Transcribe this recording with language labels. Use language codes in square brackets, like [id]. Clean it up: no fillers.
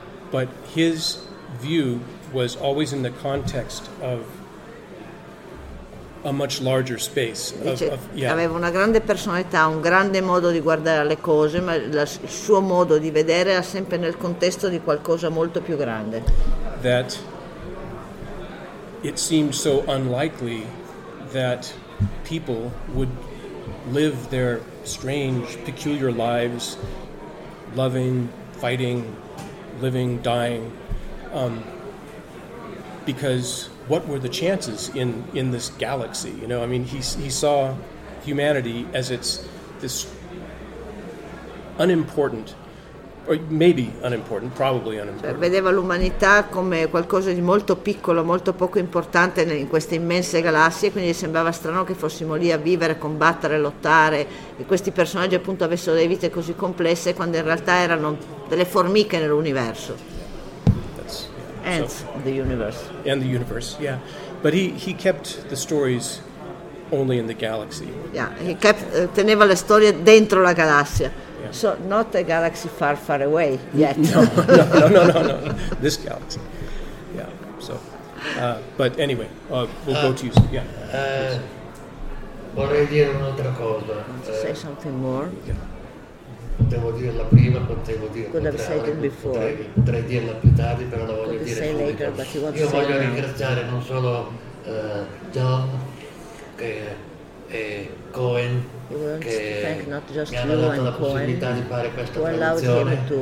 [en] But his view was always in the context of a much larger space. [it] Aveva una grande personalità, un grande modo di guardare le cose, ma il suo modo di vedere era sempre nel contesto di qualcosa molto più grande. [en] That it seemed so unlikely that people would live their strange, peculiar lives, loving, fighting, living, dying, because what were the chances in this galaxy? You know, I mean, he saw humanity as it's this unimportant or maybe unimportant, probably unimportant. [it] Vedeva l'umanità come qualcosa di molto piccolo, molto poco importante in queste immense galassie, quindi gli sembrava strano che fossimo lì a vivere, combattere, lottare, e questi personaggi appunto avessero delle vite così complesse quando in realtà erano delle formiche nell'universo. [en] And the universe. But he kept the stories only in the galaxy. [it] Teneva le storie dentro la galassia. [en] Yeah. So not a galaxy far, far away yet. No. This galaxy. Yeah. So, but anyway, we'll go to you. Yeah. [it] Vorrei dire un'altra cosa. [en] Say something more. [it] Potevo dirla prima, potevo dirla potrei dirla più tardi, però la voglio dire [en] later, [it] io voglio ringraziare non solo John che è Cohen che mi hanno dato la possibilità di fare questa traduzione,